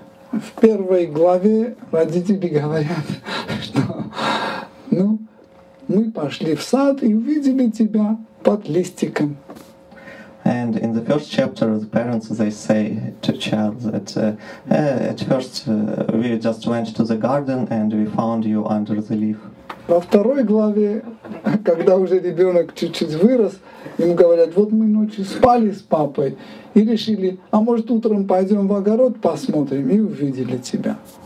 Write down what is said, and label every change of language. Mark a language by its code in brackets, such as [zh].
[ru] В первой главе родители говорят, что ну мы пошли в сад и увидели тебя под листиком. [en] And in the first chapter, the parents, they say to child that at first we just went to the garden and we found you under the leaf. [ru] Во второй главе, когда уже ребенок чуть-чуть вырос, ему говорят, вот мы ночью спали с папой и решили, а может утром пойдем в огород посмотрим и увидели тебя.